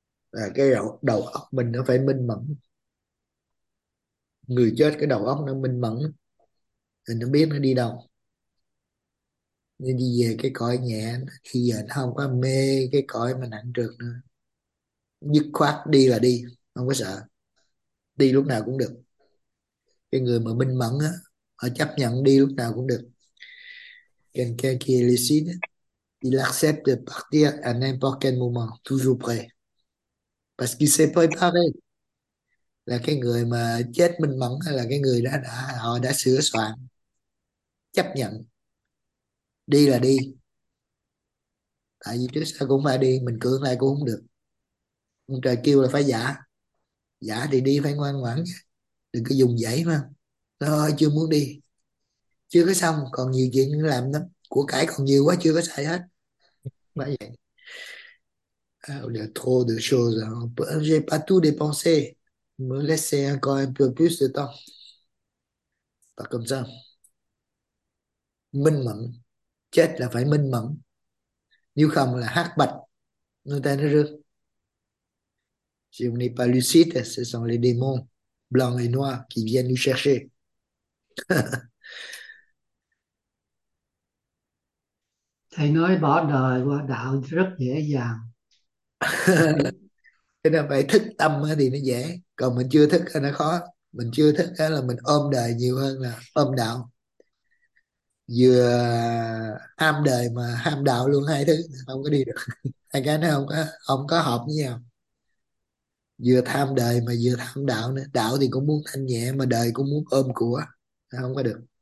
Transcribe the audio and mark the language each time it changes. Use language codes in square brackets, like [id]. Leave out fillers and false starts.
[vi] Là cái đầu óc mình nó phải minh mẫn, người chết cái đầu óc nó minh mẫn thì nó biết nó đi đâu, nên đi về cái cõi nhẹ khi giờ nó không có mê cái cõi mà nặng trược nữa, dứt khoát đi là đi, không có sợ, đi lúc nào cũng được. Cái người mà minh mẫn á, họ chấp nhận đi lúc nào cũng được. [fr] Quelqu'un qui est lucide, il accepte de partir à n'importe quel moment, toujours prêt. Parce qu'il s'est préparé. [vi] Là cái người mà chết minh mẫn là cái người họ đã sửa soạn, chấp nhận đi là đi, tại vì trước sau cũng phải đi, mình cưỡng lại cũng không được. Ông trời kêu là phải giả, giả thì đi phải ngoan ngoãn, đừng có dùng dãy mà thôi chưa muốn đi, chưa có xong, còn nhiều chuyện làm lắm, của cải còn nhiều quá, chưa có xài hết. Phải vậy. [fr] Il y a trop de choses. J'ai pas tout dépensé. Me laisser encore un peu plus de temps. [vi] Và [fr] comme ça. [vi] Minh mẫn. Chết là phải minh mẫn. Nếu không là hát bạch. Người ta nó rước. [fr] Si on n'est pas lucide, ce sont les démons blancs et noirs qui viennent nous chercher. [vi] Thầy nói bỏ đời qua đạo rất dễ dàng. Thế nên phải thức tâm thì nó dễ, còn mình chưa thức thì nó khó. Mình chưa thức là mình ôm đời nhiều hơn là ôm đạo, vừa ham đời mà ham đạo luôn, hai thứ không có đi được, hai cái nó không có hợp với nhau, vừa tham đời mà vừa tham đạo nữa, đạo thì cũng muốn thanh nhẹ mà đời cũng muốn ôm của, không có được.